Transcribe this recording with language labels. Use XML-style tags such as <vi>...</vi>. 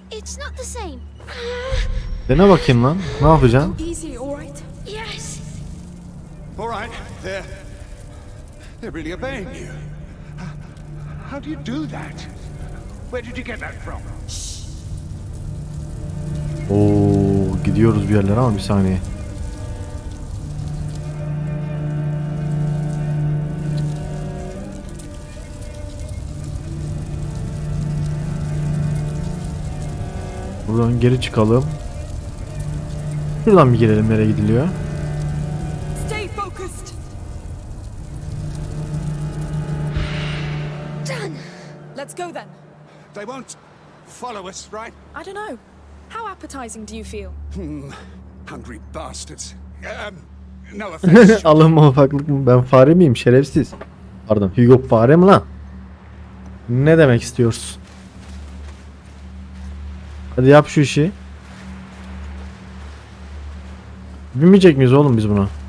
<en>It's not the same.</en> <tr>Dene bakayım lan. Ne yapacaksın?</tr> <en>Easy, alright? Yes. Alright, they're really obeying you. How do you do that? Where did you get that from?</en> <tr>Oo, gidiyoruz bir yerlere ama bir saniye. Buradan geri çıkalım. Şuradan bir girelim, nereye gidiliyor.</tr> <en>Stay focused. Done. Let's go then. They won't follow us, right? I don't know. How appetizing do you feel? Hungry bastards. No offense.</en> <tr>Allah'ım, ufaklık mı? Ben fare miyim şerefsiz? Pardon, Hugo fare mi lan? Ne demek istiyorsun? Hadi yap şu işi. Binmeyecek miyiz oğlum biz buna?</tr>